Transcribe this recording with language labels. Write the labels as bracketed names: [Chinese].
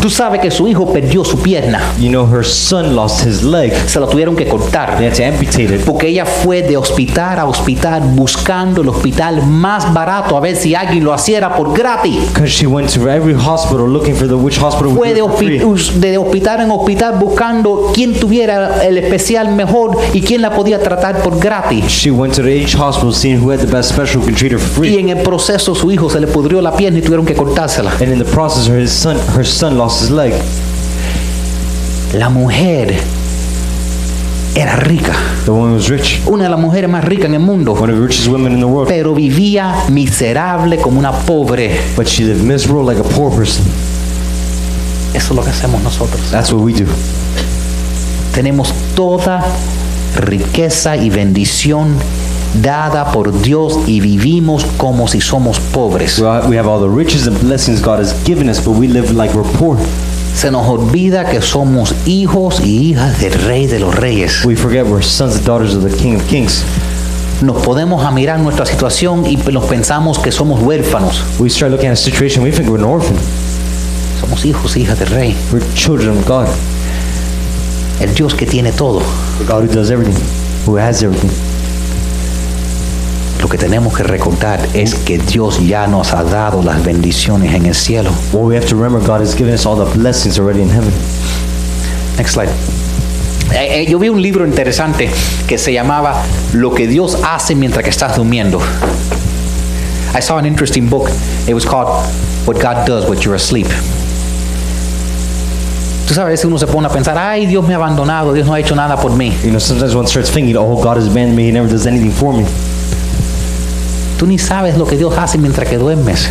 [Spanish] ¿Tú sabes que su hijo perdió su pierna? [English] You know her son lost his leg. [Spanish] Se lo tuvieron que cortar. [English] They had to amputate it. [Spanish] Porque ella fue de hospital a hospital buscando el hospital más barato a ver si alguien lo hiciera por gratis. [English] Because she went to every hospital looking for which hospital [Spanish] fue [English] would do it for free. [Spanish] De hospital en hospital buscando quien tuviera el especial mejor y quien la podía tratar por gratis. [English] She went to each hospital seeing who had the best special who could treat her for free. [Spanish] Y en el proceso su hijo se le pudrió la pierna y tuvieron que cortársela. [English] And in the process her son lost his leg. [Spanish] La mujer era rica. [English] The woman was rich. [Spanish] Una de las mujeres más ricas en el mundo. [English] One of the richest women in the world. [Spanish] Pero vivía miserable como una pobre. [English] But she lived miserable like a poor person. [Spanish] Eso es lo que hacemos nosotros. [English] That's what we do. [Spanish] Tenemos toda riqueza y bendición dada por Dios y vivimos como si somos pobres. [English] We have all the riches and blessings God has given us, but we live like we're poor. [Spanish] Se nos olvida que somos hijos y hijas del Rey de los Reyes. [English] We forget we're sons and daughters of the King of Kings. [Spanish] Nos podemos admirar nuestra situación y nos pensamos que somos huérfanos. [English] We start looking at a situation, we think we're an orphan. [Spanish] Somos hijos e hijas del Rey. [English] We're children of God. [Spanish] El Dios que tiene todo. [English] The God who does everything, who has everything. [Spanish] Lo que tenemos que recordar es que Dios ya nos ha dado las bendiciones en el cielo. [English] What we have to remember, God has given us all the blessings already in heaven. Next slide. [Spanish] Yo vi un libro interesante que se llamaba Lo que Dios hace mientras que estás durmiendo. [English] I saw an interesting book. It was called What God Does When You're Asleep. [Spanish] Tú sabes, a veces uno se pone a pensar, ay, Dios me ha abandonado, Dios no ha hecho nada por mí. [English] You know, sometimes one starts thinking, oh, God has abandoned me, he never does anything for me. [Spanish] Tú ni sabes lo que Dios hace mientras que duermes.